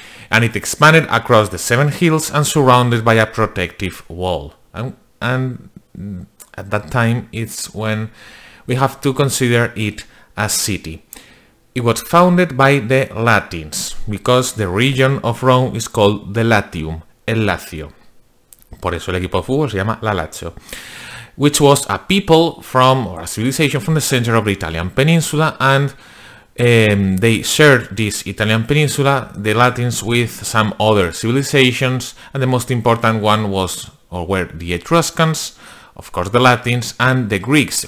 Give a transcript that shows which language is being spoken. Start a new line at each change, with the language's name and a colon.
English: And it expanded across the seven hills and surrounded by a protective wall. And at that time, it's when we have to consider it a city. It was founded by the Latins, because the region of Rome is called the Latium, el Lacio.
Spanish: Por eso el equipo de fútbol se llama la Lazio.
English: Which was a people from, or a civilization from the center of the Italian peninsula, and they shared this Italian peninsula, the Latins, with some other civilizations, and the most important one was, or were, the Etruscans, of course the Latins, and the Greeks.